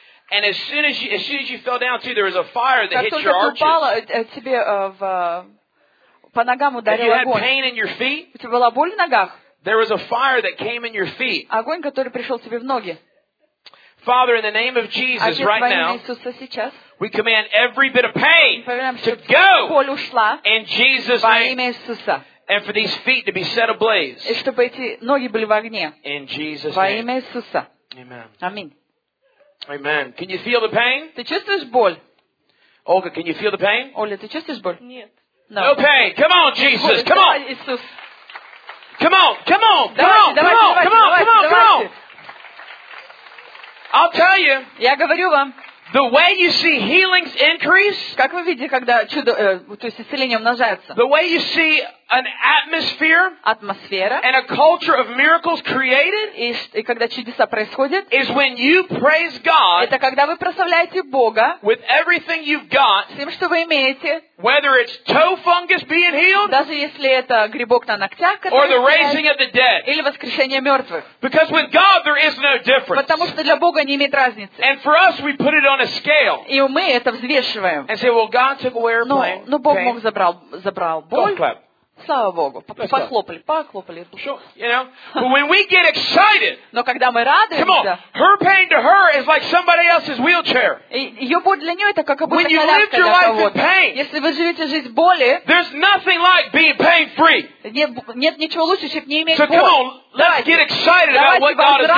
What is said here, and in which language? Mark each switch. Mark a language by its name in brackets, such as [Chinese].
[English] And as soon as you fell down too, there was a fire that hit your arches. [Russian] Как только ты упала, тебе в по ногам ударил огонь. У тебя была боль в ногах? [English] There was a fire that came in your feet. [Russian] Огонь, который пришел тебе в ноги. [English] Father, in the name of Jesus, right now, we command every bit of pain to go in Jesus' name. And for these feet to be set ablaze. [Russian] И чтобы эти ноги были в огне. [English] In Jesus' name. [Russian] Во имя Иисуса. [English] Amen. Amen. Can you feel the pain? [Russian] Ты чувствуешь боль? [English] Olga, can you feel the pain? [Russian] Оля, ты чувствуешь боль? Нет. [English] No pain. Come on, Jesus. Come on. Come on. Come on. Come on. Come on. Come on. Come on. I'll tell you. [Russian] Я говорю вам. [English] The way you see healings increase. [Russian] Как вы видите, когда чудо, то есть исцеление умножается. [English] The way you see an atmosphere. [Russian] Атмосфера. [English] And a culture of miracles created. [Russian] И когда чудеса происходят. [English] Is when you praise God. [Russian] Это когда вы прославляете Бога. [English] With everything you've got. [Russian] Всем, что вы имеете. [English] Whether it's toe fungus being healed. [Russian] Даже если это грибок на ногтях. [English] Or the raising of the dead. [Russian] Или воскрешение мертвых. [English] Because with God there is no difference. [Russian] Потому что для Бога не имеет разницы. [English] And for us we put it on a scale. [Russian] И мы это взвешиваем. [English] And say, well, God took away our pain. [Russian] Но Бог мог забрал боль. Слава Богу. Похлопали. [English] Sure. You know? But when we get excited, [Russian] но когда мы радуемся, [English] come on. Her pain to her is like somebody else's wheelchair. [Russian] Ее боль для нее это как будто коляска для кого-то. [English] When you live your life in pain, [Russian] если вы живете жизнь боли, [English] there's nothing like being pain-free. [Russian] Нет ничего лучше, чем не иметь боли. [English] So come on, let's get excited about what God is doing.